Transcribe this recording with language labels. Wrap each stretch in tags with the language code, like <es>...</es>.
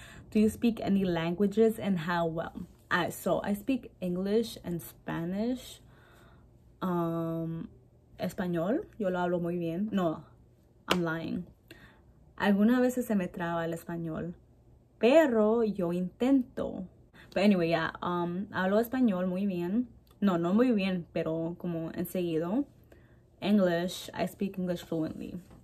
<en>Do you speak any languages and how well? I speak English and Spanish.</en> <es>Español, yo lo hablo muy bien.</es> <en>No, I'm lying.</en> <es>Algunas veces se me traba el español, pero yo intento.</es> <en>But anyway, yeah,</en> <es>hablo español muy bien. No, no muy bien, pero como enseguido.</es> <en>English, I speak English fluently.</en>